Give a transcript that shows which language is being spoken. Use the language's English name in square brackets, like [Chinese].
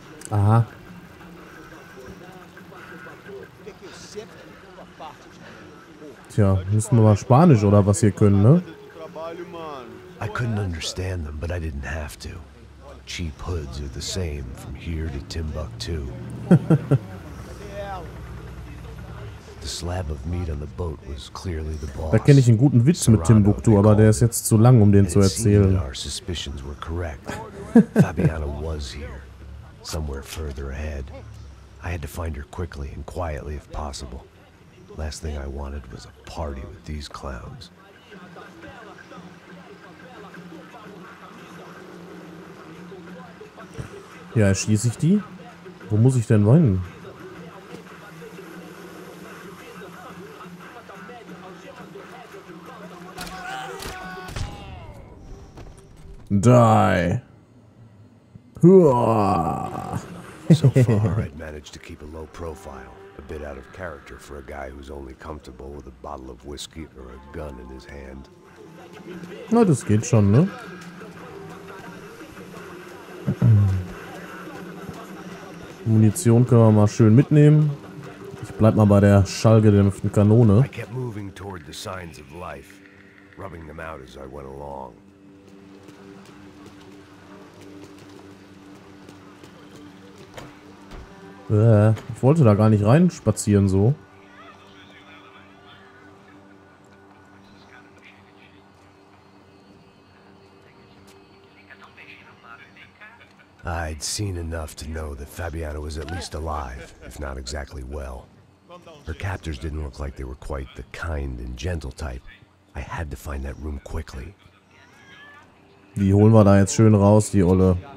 [German] Aha. Tja, müssen wir mal Spanisch oder was hier können, ne? [English] I couldn't understand them, but I didn't have to. Cheap hoods are the same from here to Timbuktu. The slab of meat on the boat was clearly the boss. [German] Da kenne ich einen guten Witz mit Timbuktu, aber der ist jetzt zu lang, um den zu erzählen. [English] Our suspicions were correct. Fabiana was here. Somewhere further ahead. I had to find her quickly and quietly if possible. Last thing I wanted was a party with these clowns. [German] Ja, erschieße ich die? Wo muss ich denn rein? Die! Huah. [English] So far, I'd managed to keep a low profile, a bit out of character for a guy who's only comfortable with a bottle of whiskey or a gun in his hand. [German] Na, das geht schon, ne? Munition können wir mal schön mitnehmen. Ich bleib mal bei der schallgedämpften Kanone. [English] I kept moving toward the signs of life, rubbing them out as I went along. [German] Ich wollte da gar nicht rein spazieren so. [English] I'd seen enough to know that Fabiana was at least alive, if not exactly well. Her captors didn't look like they were quite the kind and gentle type. I had to find that room quickly. [German] Wie holen wir da jetzt schön raus, die Olle?